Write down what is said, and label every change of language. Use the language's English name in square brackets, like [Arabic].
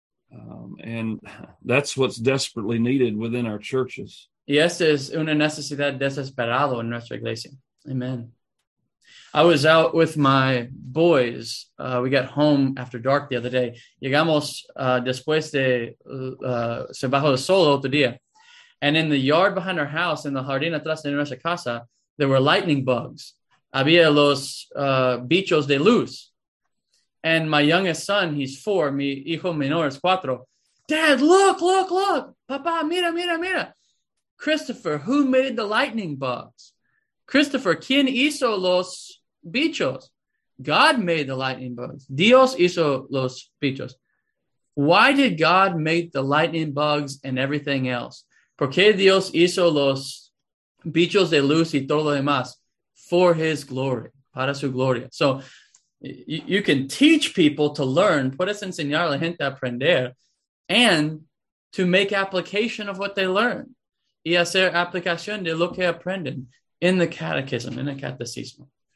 [English] And that's what's desperately needed within our churches. [Spanish] Y esta es una necesidad desesperada en nuestra iglesia. [English] Amen. I was out with my boys. We got home after dark the other day. [Spanish] Llegamos después de se bajó el sol otro día. [English] And in the yard behind our house, in the [Spanish] jardín atrás de nuestra casa, [English] there were lightning bugs. [Spanish] Había los bichos de luz. [English] And my youngest son, he's 4. [Spanish] Mi hijo menor es 4. [English] Dad, look, look, look. [Spanish] Papá, mira, mira, mira. [English] Christopher, who made the lightning bugs? Christopher, [Spanish] ¿quién hizo los bichos? [English] God made the lightning bugs. [Spanish] Dios hizo los bichos. [English] Why did God make the lightning bugs and everything else? [Spanish] ¿Por qué Dios hizo los bichos de luz y todo lo demás? [English] For his glory, [Spanish] para su gloria. [English] So you can teach people to learn, [Spanish] puedes enseñar a la gente a aprender, [English] and to make application of what they learn, [Spanish] y hacer aplicación de lo que aprenden [English] in the catechism, in the catecismo.